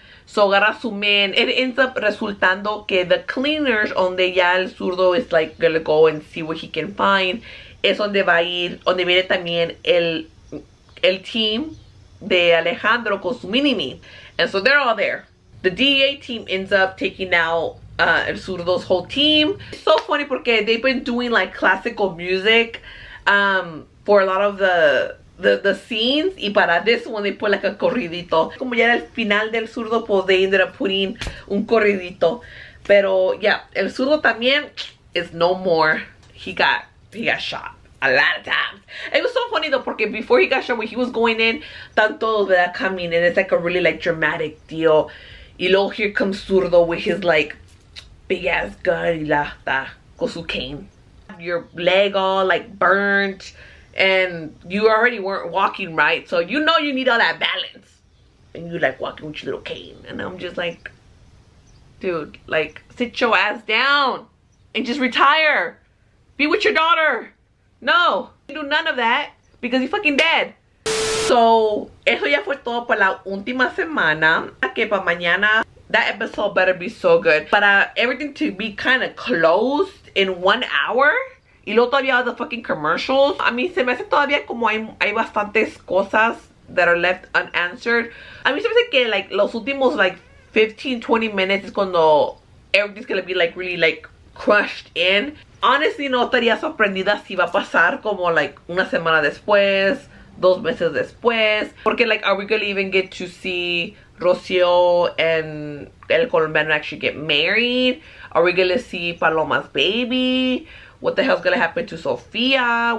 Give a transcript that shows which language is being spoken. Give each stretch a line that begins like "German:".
English: So,
Spanish: agarra su man.
English: It ends up
Spanish: resultando que
English: the cleaners,
Spanish: donde ya el zurdo
English: is like gonna go and see what he can find,
Spanish: es donde va a ir, donde viene también el team de Alejandro con su mini-me.
English: And so, they're all there. The DEA team ends up taking out El Zurdo's whole team. It's so funny
Spanish: porque
English: they've been doing like classical music for a lot of the scenes,
Spanish: y para
English: this one they put like a corridito.
Spanish: Como ya era el final del Zurdo, pues
English: they ended up putting
Spanish: un corridito. Pero
English: yeah,
Spanish: El Zurdo también
English: is no more. He got shot a lot of times. It was so funny though,
Spanish: porque
English: before he got shot, when he was going in,
Spanish: tanto de la camina,
English: it's like a really like dramatic deal.
Spanish: Y luego
English: here comes Zurdo with his like big ass gun
Spanish: y la ta, con su
English: cane. Your leg all like burnt and you already weren't walking right, so you know you need all that balance, and you like walking with your little cane, and I'm just like, dude, like sit your ass down and just retire, be with your daughter. No, you do none of that because you're fucking dead.
Spanish: So eso ya fue todo para la última semana, que para mañana
English: that episode better be so good. But everything to be kind of closed in 1 hour.
Spanish: Y luego todavía
English: the fucking commercials.
Spanish: A mí se me hace todavía como hay bastantes cosas
English: that are left unanswered.
Spanish: A mí se me hace que
English: like
Spanish: los últimos
English: like 15-20 minutes is
Spanish: cuando
English: everything's gonna be like really like crushed in. Honestly,
Spanish: no estaría sorprendida si va a pasar como like una semana después, 2 meses después. Porque
English: like, are we gonna even get to see Rocio and El Colombiano actually get married? Are we gonna see Paloma's baby? What the hell's gonna happen to Sofia?